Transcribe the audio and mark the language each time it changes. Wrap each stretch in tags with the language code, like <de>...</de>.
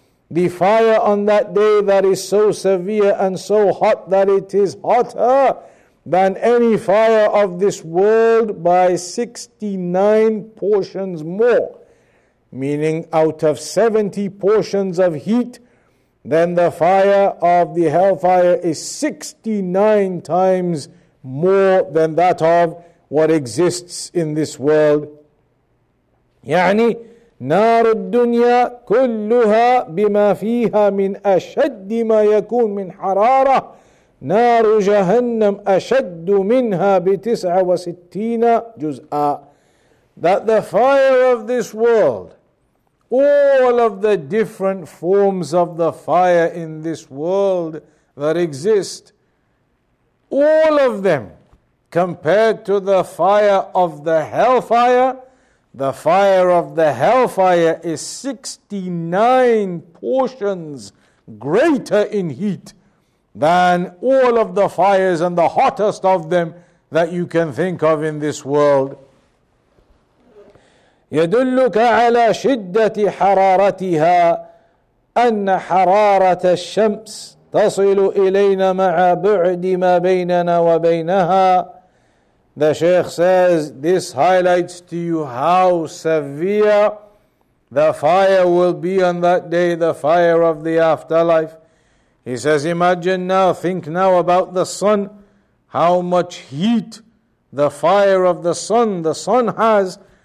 <en>The fire on that day that is so severe and so hot that it is hotter than any fire of this world by 69 portions more. Meaning out of 70 portions of heat, then the fire of the hellfire is 69 times more than that of what exists in this world.</en> <ar>يعني نار الدنيا كلها بما فيها من أشد ما يكون من حرارة نار جهنم أشد منها بتسعة وستين جزءا.</ar> <en>That the fire of this world, all of the different forms of the fire in this world that exist, all of them, compared to the fire of the hellfire, the fire of the hellfire is 69 portions greater in heat than all of the fires and the hottest of them that you can think of in this world.</en> <ar>يدلك على شدة حرارتها أن حرارة الشمس تصل إلينا مع بعد ما بيننا وبينها.</ar> <en>The Sheikh says, this highlights to you how severe the fire will be on that day, the fire of the afterlife. He says, imagine now, think now about the sun, how much heat the fire of the sun has.</en>